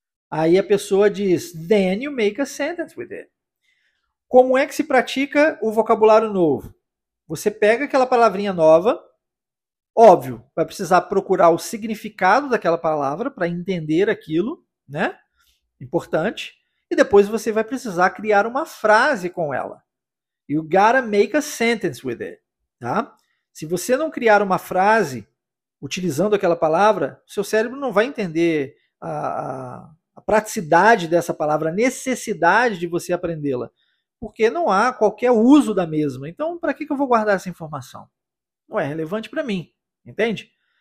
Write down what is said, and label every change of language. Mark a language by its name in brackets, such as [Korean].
[Portuguese] Aí a pessoa diz, [English] then you make a sentence with it. [Portuguese] Como é que se pratica o vocabulário novo? Você pega aquela palavrinha nova, óbvio, vai precisar procurar o significado daquela palavra para entender aquilo, né? Importante. E depois você vai precisar criar uma frase com ela. [English] You gotta make a sentence with it, [Portuguese] tá? Se você não criar uma frase utilizando aquela palavra, seu cérebro não vai entender a praticidade dessa palavra, a necessidade de você aprendê-la, porque não há qualquer uso da mesma. Então, para que eu vou guardar essa informação? Não é relevante para mim, entende?